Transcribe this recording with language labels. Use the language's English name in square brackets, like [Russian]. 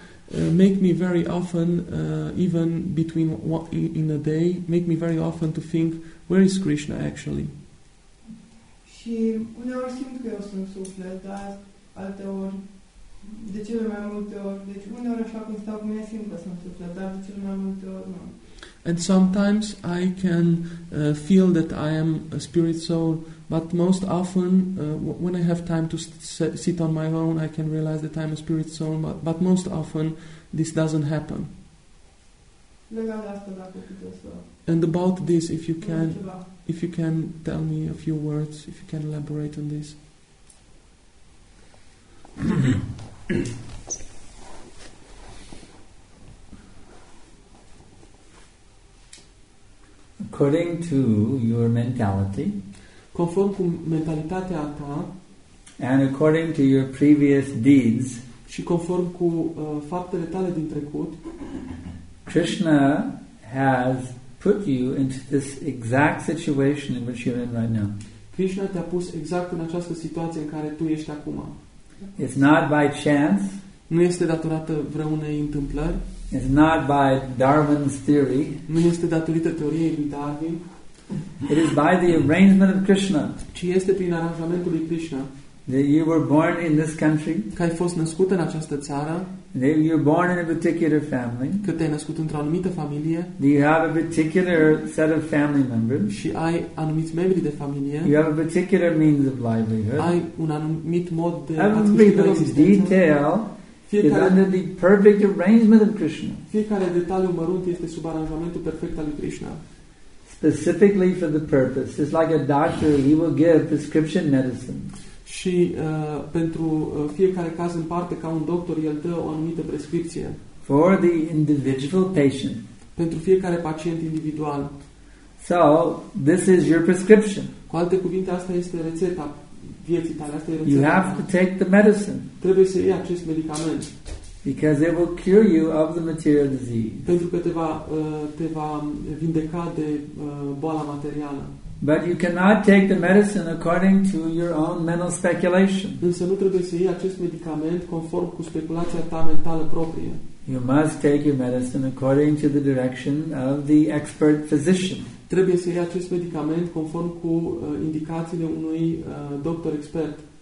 [English] Make me very often, even between in a day, make me very often to think, where is Krishna actually? [Romanian] Și uneori simt că eu sunt suflet, dar alte ori, de cele mai multe ori, deci uneori așa cum stau cu mine simt că sunt suflet, dar de cele mai multe ori nu. [English] And sometimes I can feel that I am a spirit soul, but most often when I have time to sit on my own, I can realize that I am a spirit soul, but most often this doesn't happen. [Romanian] Legat de asta, dacă puteți să... [English] And about this, if you can tell me a few words, if you can elaborate on this. According to your mentality, [Romanian] conform cu mentalitatea ta, [English] and according to your previous deeds, [Romanian] și conform cu faptele tale din trecut, [English] Krishna has put you into this exact situation in which you're in right now. [Romanian] Krishna te-a pus exact în această situație în care tu ești acum. [English] It's not by chance. [Romanian] Nu este datorată vreunei întâmplări. [English] It's not by Darwin's theory. [Romanian] Nu este datorită teoriei lui Darwin. [English] It is by the arrangement of Krishna. [Romanian] Ci este prin aranjamentul lui Krishna. [English] That you were born in this country. [Romanian] Că ai fost născut în această țară. [English] That you were born in a particular family. [Romanian] Că te-ai născut într-o anumită familie. [English] That you have a particular set of family members. [Romanian] Și ai anumiți membri de familie. [English] You have a particular means of livelihood. [Romanian] Ai un anumit mod de [English] detail. [Romanian] Fiecare, [English] is under the perfect arrangement of Krishna. [Romanian] Fiecare detaliu mărunt este sub aranjamentul perfect al lui Krishna. [English] Specifically for the purpose. It's like a doctor, he will give prescription medicine. [Romanian] Și pentru fiecare caz în parte, ca un doctor, el dă o anumită prescripție. [English] For the individual patient. [Romanian] Pentru fiecare pacient individual. [English] So, this is your prescription. [Romanian] Cu alte cuvinte, asta este rețeta. [English] You have to take the medicine. [Romanian] Trebuie să iei acest medicament. [English] Because it will cure you of the material disease. [Romanian] Pentru că te va vindeca de boala materială. [English] But you cannot take the medicine according to your own mental speculation. [Romanian] Însă nu trebuie să iei acest medicament conform cu speculația ta mentală proprie. [English] You must take your medicine according to the direction of the expert physician. [Romanian] Trebuie să iei acest medicament conform cu indicațiile unui doctor expert.